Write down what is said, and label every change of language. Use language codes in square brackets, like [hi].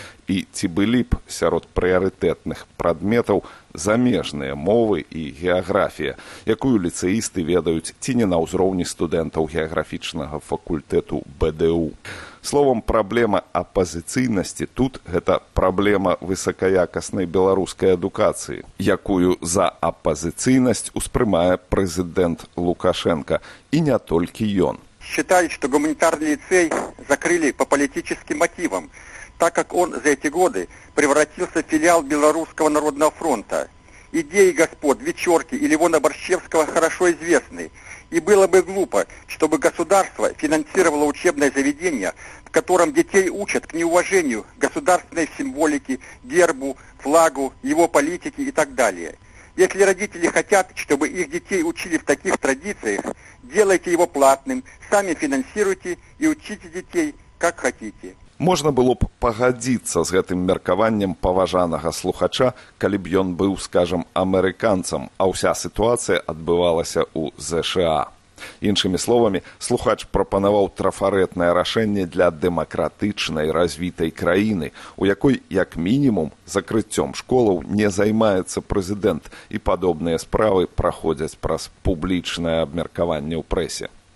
[be] І ці былі б сярод прыярытэтных прадметаў замежныя мовы і геаграфія, якую ліцэісты ведаюць ці не на ўзроўні студэнтаў геаграфічнага факультэту БДУ? Словом, праблема апазыцыйнасці тут – гэта праблема высакаякаснай беларускай адукацыі, якую за апазыцыйнасць успрымае прэзідэнт Лукашэнка, і не толькі ён. [ru] Считаю, что гуманитарный лицей закрыли по политическим мотивам, так как он за эти годы превратился в филиал Белорусского народного фронта. Идеи господ Вечерки и Левона Борщевского хорошо известны. И было бы глупо, чтобы государство финансировало учебное заведение, в котором детей учат к неуважению государственной символики, гербу, флагу, его политике и так далее. Если родители хотят, чтобы их детей учили в таких традициях, делайте его платным, сами финансируйте и учите детей, как хотите. [be] Можна было б пагадзіцца з гэтым меркаваннем паважанага слухача, калі б ён быў, скажам, амерыканцам, а ўся сітуацыя адбывалася ў ЗША. Іншымі словамі, слухач прапанаваў трафарэтнае рашэнне для дэмакратычнай развітай краіны, у якой, як мінімум, закрыццём школаў не займаецца прэзідэнт і падобныя справы праходзяць праз публічнае абмеркаванне ў прэсе.